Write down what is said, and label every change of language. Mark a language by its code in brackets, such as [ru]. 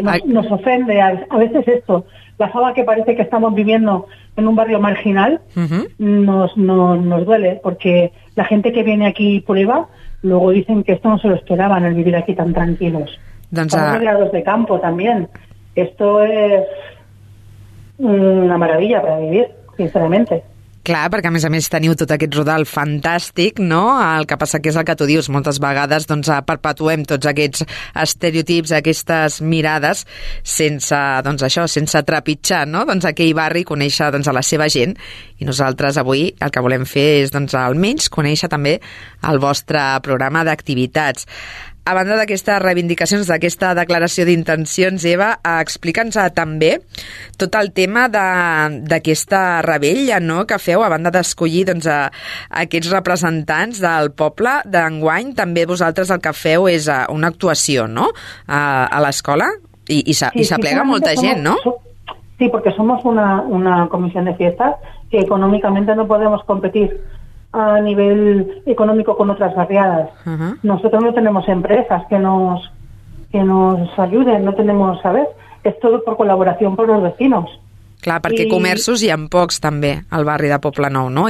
[es] nos ofende a veces esto, la fama que parece que estamos viviendo en un barrio marginal, nos duele, porque la gente que viene aquí prueba. Luego dicen que esto no se lo esperaban, el vivir aquí tan tranquilos. [ca] Doncs, [es] grados de campo también. Esto es una maravilla para vivir, sinceramente. [ca] Clar, perquè a més teniu tot aquest rodal fantàstic, no? El que passa que és el que tu dius, moltes vegades doncs perpetuem tots aquests estereotips, aquestes mirades, sense, doncs això, sense trepitjar, no? Doncs aquell barri, conèixer doncs a la seva gent, i nosaltres avui el que volem fer és doncs almenys conèixer també el vostre programa d'activitats. A banda d'aquestes reivindicacions, d'aquesta declaració d'intencions, Eva, explica'ns també tot el tema d'aquesta revetlla, no?, que feu, a banda d'escollir doncs aquests representants del poble d'enguany, també vosaltres el que feu és una actuació, no?, a l'escola, i s'aplega sí, molta gent, no? Sí, perquè som una comissió de fiestas que econòmicament no podem competir a [es] nivel económico con otras barriadas. Uh-huh. Nosotros no tenemos empresas que nos ayuden, no tenemos, ¿sabes? Es todo por colaboración por los vecinos. [ca] Clar, perquè comerços hi ha pocs també al barri de Poblenou, no?